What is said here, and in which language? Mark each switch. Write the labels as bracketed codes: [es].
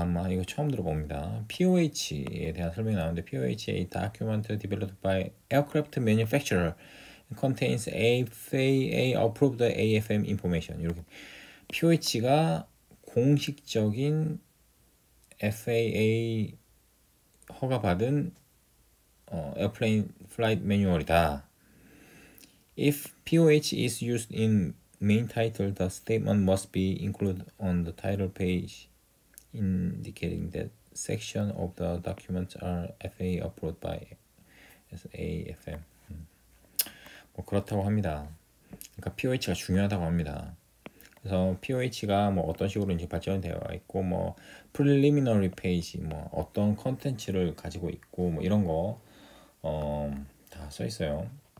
[ko] 이거 처음 들어봅니다. POH에 대한 설명이 나오는데 [en] POH, a document developed by aircraft manufacturer contains FAA approved AFM information. [ko] 이렇게 POH가 공식적인 FAA 허가 받은 에어플레인 플라이트 매뉴얼이다. [en] If POH is used in main title, the statement must be included on the title page, indicating that section of the documents are FA approved by SAFM. [ko] 뭐 그렇다고 합니다. 그러니까 POH가 중요하다고 합니다. 그래서 POH가 뭐 어떤 식으로 이제 발전되어 있고 뭐 preliminary page 뭐 어떤 컨텐츠를 가지고 있고 뭐 이런 거 다 써 있어요.